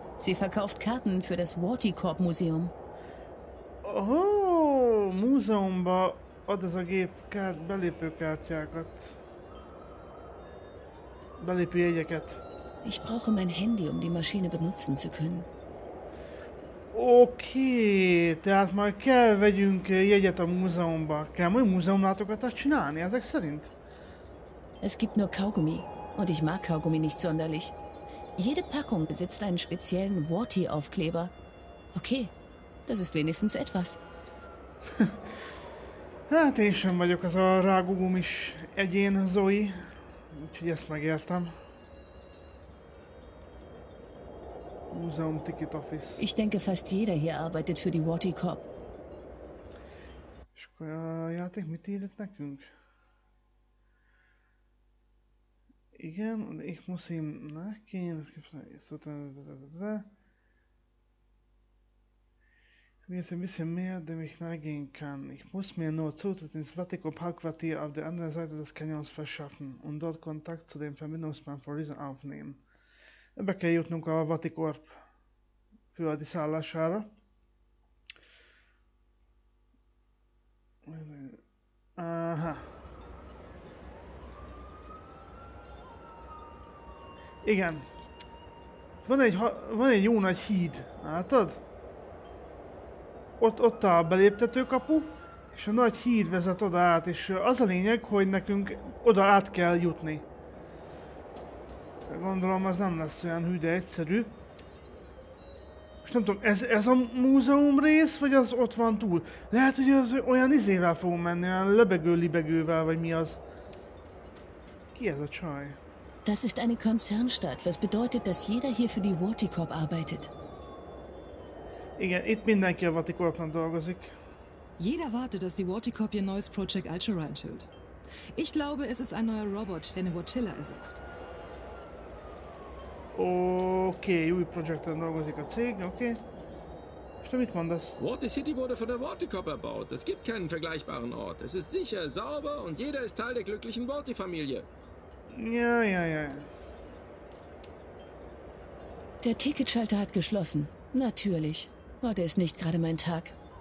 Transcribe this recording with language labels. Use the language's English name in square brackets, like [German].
[German] Sie verkauft Karten für das Vatikorp Museum. [Hungarian] Oh, Museumba ad ez a gép belépőkártyákat. Belépőjegyeket. [German] Ich brauche mein Handy, um die Maschine benutzen zu können. [Hungarian] Oké, tehát majd kell vegyünk jegyet a múzeumba. Kell majd múzeumlátogatást csinálni, ezek szerint? [German] Es gibt nur Kaugummi. Und ich mag Kaugummi nicht sonderlich. Jede Packung besitzt einen speziellen Warty-Aufkleber. Okay, das ist wenigstens etwas. [Hungarian] Hát én sem vagyok az a rágugumis egyén, Zoe. Úgyhogy ezt megértem. [English] Museum Ticket Office. [German] Ich denke, fast jeder hier arbeitet für die Warty-Corp. [Hungarian] És akkor a játék mit írt nekünk? Igen, [German] und ich muss ihm nachgehen. Es gibt so ein bisschen mehr, dem ich nachgehen kann. Ich muss mir nur Zutritt ins Vatikop-Hauptquartier auf der anderen Seite des Canyons verschaffen und dort Kontakt zu dem Verbindungsmann von Reason aufnehmen. [Hungarian] Ebbe kell jutnunk a Vatikorp főadi szállására. Aha. Igen. Van egy jó nagy híd, látod? Ott a beléptető kapu, és a nagy híd vezet oda át, és az a lényeg, hogy nekünk oda át kell jutni. Gondolom, az nem lesz olyan hű, de egyszerű. Most nem tudom, ez a múzeum rész, vagy az ott van túl? Lehet, hogy az olyan izével fogunk menni, olyan lebegővel, vagy mi az? Ki ez a csaj? [German] Das ist eine Konzernstadt, was bedeutet, dass jeder hier für die Vatikorp arbeitet. [Hungarian] Igen, itt mindenki a Vatikorpnak dolgozik. [German] Jeder wartet, dass die Vatikorp ihr neues Projekt Altura enthüllt. Ich glaube, es ist ein neuer Robot, der eine Vatilla ersetzt. [Hungarian] Okay, új Projekten dolgozik a cég, okay. [German] Was damit man das? Water City wurde von der Vatikorp erbaut. Es gibt keinen vergleichbaren Ort. Es ist sicher, sauber und jeder ist Teil der glücklichen Vati-Familie. Ja. Der Ticketschalter hat geschlossen. Natürlich. Heute ist nicht gerade mein Tag.